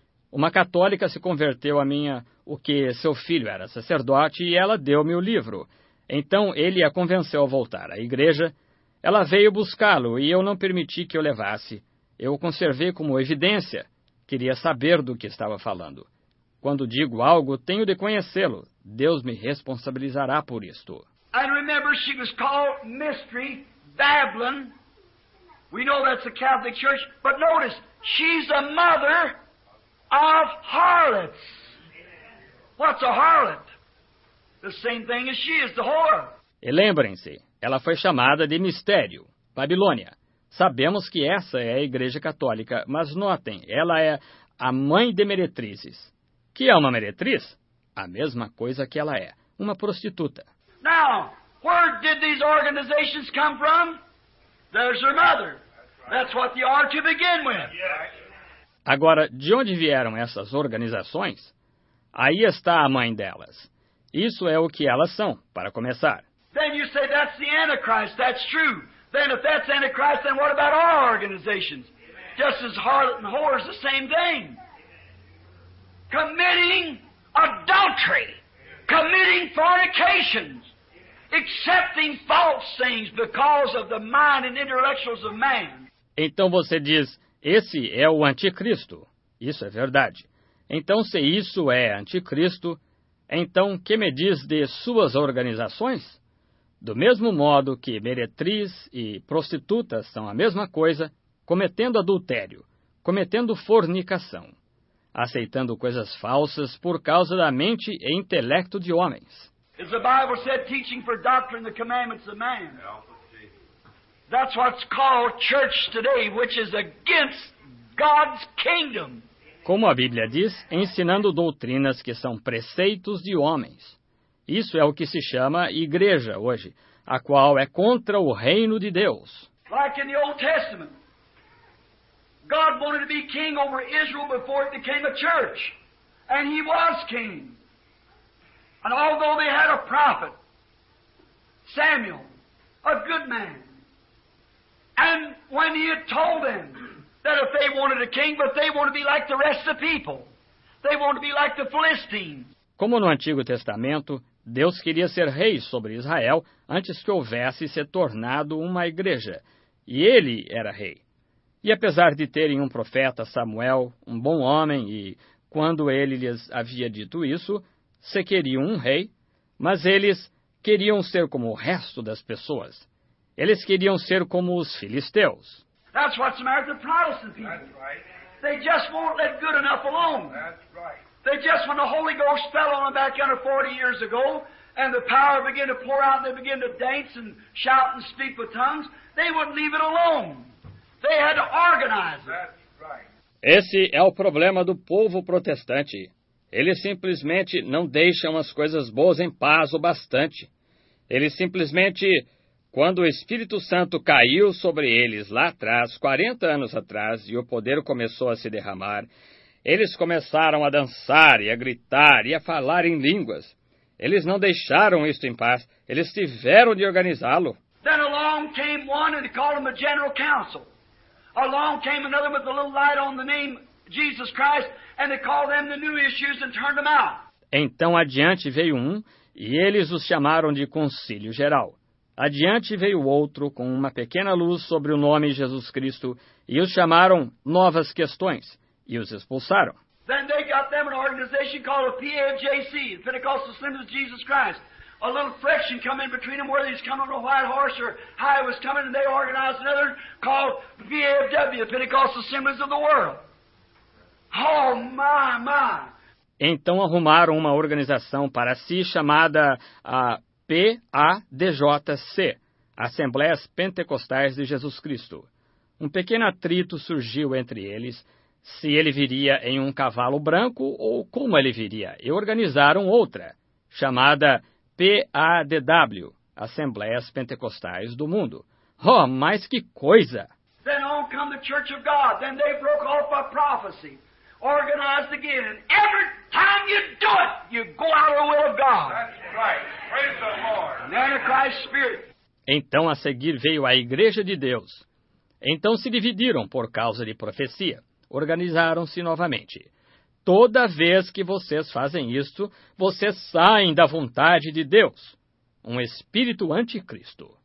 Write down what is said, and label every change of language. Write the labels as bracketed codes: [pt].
[pt] Uma católica se converteu a minha, o que seu filho era sacerdote, e ela deu-me o livro. Então ele a convenceu a voltar à igreja. Ela veio buscá-lo e eu não permiti que o levasse. Eu o conservei como evidência. Queria saber do que estava falando. Quando digo algo, tenho de conhecê-lo. Deus me responsabilizará por isto. [en] And remember, she was called Mystery Babylon. We know that's the Catholic Church. But notice, she's a mother of harlots. What's a harlot? The same thing as she is, the whore. [pt] E lembrem-se, ela foi chamada de Mistério, Babilônia. Sabemos que essa é a Igreja Católica, mas notem, ela é a mãe de meretrizes. Que é uma meretriz? A mesma coisa que ela é, uma prostituta. [en] Now, where did these organizations come from? There's her mother. That's what they are to begin with. [pt] Agora, de onde vieram essas organizações? Aí está a mãe delas. Isso é o que elas são, para começar. [en] Then you say that's the Antichrist. That's true. Then if that's Antichrist, then what about our organizations? Amen. Just as harlot and whore is the same thing. Committing adultery. Committing fornications, accepting false things because of the mind and intellectuals of man. [pt] Então você diz, esse é o anticristo. Isso é verdade. Então se isso é anticristo, então que me diz de suas organizações? Do mesmo modo que meretriz e prostituta são a mesma coisa, cometendo adultério, cometendo fornicação. Aceitando coisas falsas por causa da mente e intelecto de homens. [en] As the Bible said, teaching for doctrine the commandments of man. That's what's called church today, which is against God's kingdom. [pt] Como a Bíblia diz, ensinando doutrinas que são preceitos de homens. Isso é o que se chama igreja hoje, a qual é contra o reino de Deus. [en] Like in the Old Testament. God wanted to be king over Israel before it became a church. And he was king. And although they had a prophet, Samuel, a good man, and when he had told them that if they wanted a king, but they wanted to be like the rest of the people, they wanted to be like the Philistines. [pt] Como no Antigo Testamento, Deus queria ser rei sobre Israel antes que houvesse se tornado uma igreja, e ele era rei. E apesar de terem um profeta, Samuel, um bom homem, e quando ele lhes havia dito isso, se queriam um rei, mas eles queriam ser como o resto das pessoas. Eles queriam ser como os filisteus. [en] That's what's the matter with the Protestant people. That's right. They just won't let good enough alone. That's right. They just, when the Holy Ghost fell on them back under 40 years ago, and the power began to pour out, and they began to dance and shout and speak with tongues, they wouldn't leave it alone. They had to organize it. That's right. [pt] Esse é o problema do povo protestante. Eles simplesmente não deixam as coisas boas em paz o bastante. Eles simplesmente, quando o Espírito Santo caiu sobre eles lá atrás, 40 anos atrás, e o poder começou a se derramar, eles começaram a dançar e a gritar e a falar em línguas. Eles não deixaram isso em paz. Eles tiveram de organizá-lo. [en] Then along came one and called him a general council. Along came another with a little light on the name Jesus Christ, and they called them the new issues and turned them out. [pt] Então adiante veio um, e eles os chamaram de Conselho Geral. Adiante veio outro com uma pequena luz sobre o nome Jesus Cristo, e os chamaram Novas Questões, e os expulsaram. [en] Then they got them an organization called the PAJC, the Pentecostal Assembly of Jesus Christ. A little friction come in between them, whether he's coming on a white horse or how he was coming, and they organized another called the PAFW, the Pentecostal Assemblies of the World. Oh, my, my. [pt] Então arrumaram uma organização para si chamada a PADJC, Assembleias Pentecostais de Jesus Cristo. Um pequeno atrito surgiu entre eles, se ele viria em um cavalo branco ou como ele viria. E organizaram outra, chamada PADW, Assembleias Pentecostais do Mundo. Oh, mas que coisa! [en] Then on come the Church of God, then they broke off a prophecy. Organized again, and every time you do it, you go out of the will of God. That's right. Praise the Lord. The Antichrist spirit. [pt] Então, a seguir, veio a Igreja de Deus. Então, se dividiram por causa de profecia. Organizaram-se novamente. Toda vez que vocês fazem isto, vocês saem da vontade de Deus. Um espírito anticristo.